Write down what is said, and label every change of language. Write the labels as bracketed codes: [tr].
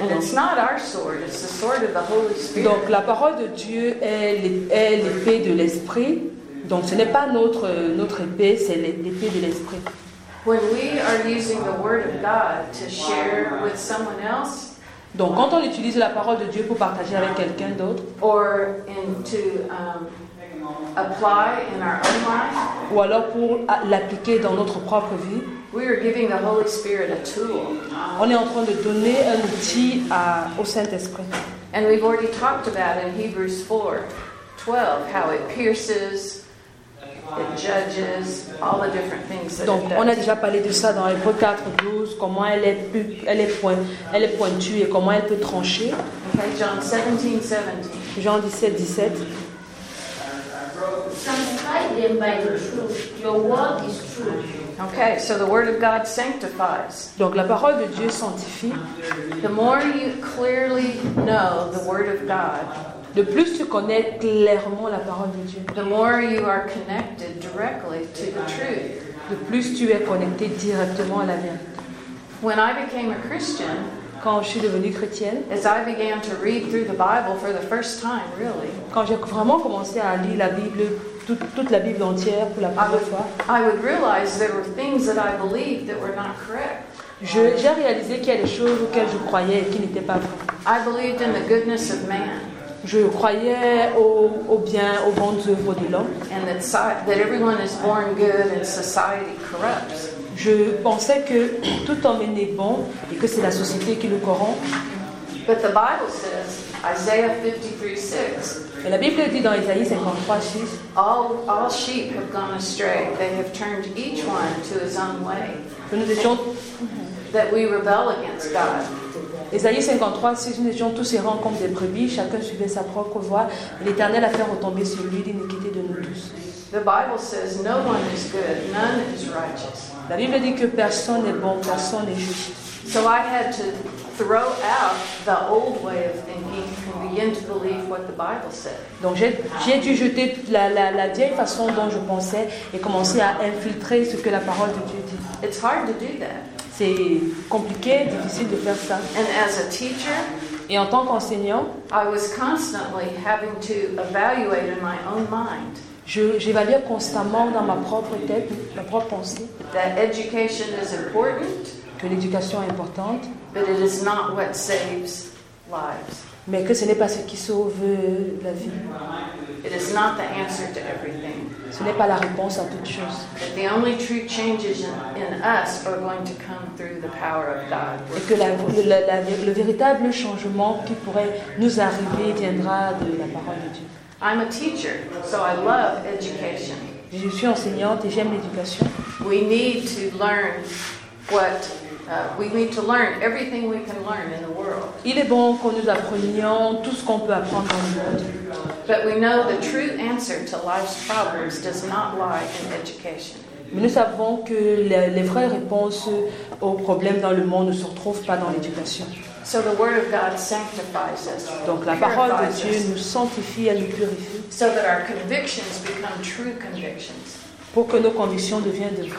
[en] And it's not our sword, it's the sword of the Holy Spirit. [fr] Donc la parole de Dieu est l'épée de l'Esprit. Donc ce n'est pas notre épée, c'est l'épée de l'Esprit. [en] When we are using the word of God to share with someone else, [fr] donc quand on utilise la parole de Dieu pour partager avec quelqu'un d'autre, ou alors pour l'appliquer dans notre propre vie, [en] we are giving the Holy Spirit a tool. [fr] On est en train de donner un outil au Saint-Esprit. [en] And we've already talked about in Hebrews 4:12 how it pierces, it judges, all the different things that [fr] donc [en] it does. [fr] On a déjà parlé de ça dans Hébreux 4:12, comment elle est pointue et comment elle peut trancher. [en] Okay, John 17:17. [fr] Jean 17:17. [en] Sanctify them by the truth. Your word is truth. Okay, so the word of God sanctifies. [fr] Donc la parole de Dieu sanctifie. [en] The more you clearly know the word of God, [fr] de plus tu connais clairement la parole de Dieu, [en] the more you are connected directly to the truth. [fr] De plus tu es connecté directement à la vérité. [en] When I became a Christian, [fr] quand je suis devenue chrétienne, [en] as I began to read through the Bible for the first time, really, [fr] quand j'ai vraiment commencé à lire la Bible, toute la Bible entière pour la première fois, [en] I would realize there were things that I believed that were not correct. [fr] J'ai réalisé qu'il y a des choses auxquelles je croyais et qui n'étaient pas vraies. [en] I believed in the goodness of man. [fr] Je croyais au bien, aux bonnes œuvres de l'homme. [en] And that everyone is born good and society corrupts. [fr] Je pensais que tout homme est né bon et que c'est la société qui le corrompt. [en] But the Bible says, Isaiah 53:6. [fr] Et la Bible dit dans Isaïe 53:6. [en] All sheep have gone astray. They have turned each one to his own way. That we rebel against God. [fr] Ésaïe 53, si nous étions tous errant comme des brebis, chacun suivait sa propre voie, et l'Éternel a fait retomber sur lui l'iniquité de nous tous. [en] The Bible says no one is good, none is righteous. [fr] La Bible dit que personne n'est bon, personne n'est juste. [en] So I had to throw out the old way of thinking and begin to believe what the Bible said. [fr] Donc j'ai dû jeter la vieille façon dont je pensais et commencer à infiltrer ce que la parole de Dieu dit. [en] It's hard to do that. [fr] C'est compliqué, difficile de faire ça. [en] And as a teacher, [fr] et en tant qu'enseignant, [en] I was constantly having to evaluate in my own mind. [fr] J'évaluais constamment dans ma propre tête, ma propre pensée. [en] That education is important, [fr] que l'éducation est importante, [en] but it is not what saves lives. [fr] Mais que ce n'est pas ce qui sauve la vie. [en] It is not the answer to everything. [fr] Ce n'est pas la réponse à toute chose. [en] The only true changes in us are going to come through the power of God. [fr] Et que le véritable changement qui pourrait nous arriver viendra de la parole de Dieu. [en] I'm a teacher, so I love education. [fr] Je suis enseignante et j'aime l'éducation. [en] We need to learn what we need to learn everything we can learn in the world. [fr] Il est bon que nous apprenions tout ce qu'on peut apprendre dans le monde. [en] But we know the true answer to life's problems does not lie in education. [fr] Mais nous savons que les vraies réponses aux problèmes dans le monde ne se retrouvent pas dans l'éducation. [en] So the word of God sanctifies us. [fr] Donc la parole de Dieu nous sanctifie et nous purifie. [en] So that our convictions become true convictions. [fr] Pour que nos convictions deviennent de